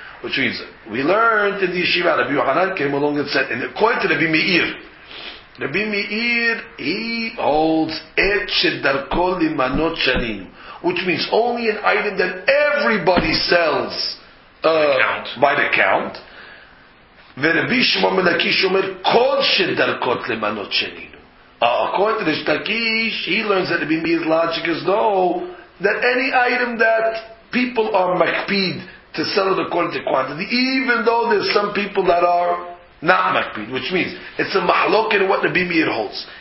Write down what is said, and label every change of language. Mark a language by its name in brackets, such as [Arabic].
[English] Which means, we learned in the yeshiva, Rabbi Yochanan came along and said, and according to Rabbi Meir, Rabbi Meir, he holds [Hebrew] et shedarko limanot shaninu. [English] Which means, only an item that everybody sells by the count. [Hebrew] ורבי שמעון בן לקיש אומר כל שדרכות למנות שנינו. [English] הכהן רבי שמעון בן לקיש, he learns that Rabbi Meir's logic is no, that any item that people are makpid to sell it according to quantity, even though there's some people that are not makpid, which means it's a mahlok in what Rabbi Meir holds.